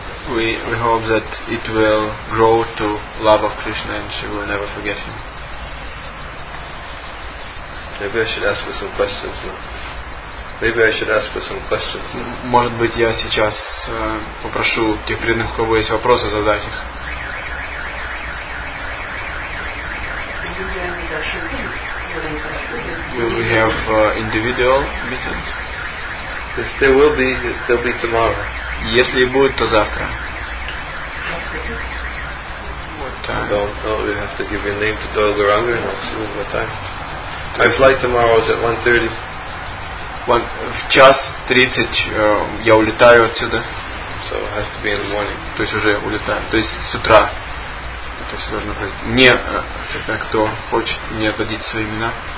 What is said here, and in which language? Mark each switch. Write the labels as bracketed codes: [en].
[en] We hope that it will grow to love of Krishna and she will never forget him. Maybe I should ask her some questions now. Maybe I should ask for some questions. [ru] Может быть, я сейчас попрошу тех преданных, у кого есть вопросы, задать их. [en] We have individual meetings. If there will be, there'll be tomorrow. [ru] Если будет, то завтра. [en] We have to give your name to Dolgaranga and I'll see what time. My flight tomorrow is at 1:30. [ru] В час 30 я улетаю отсюда. [en] So it has to be in the morning. [ru] То есть уже улетаю. То есть с утра. Это все должно произойти. Мне, тогда кто хочет мне отдать свои имена.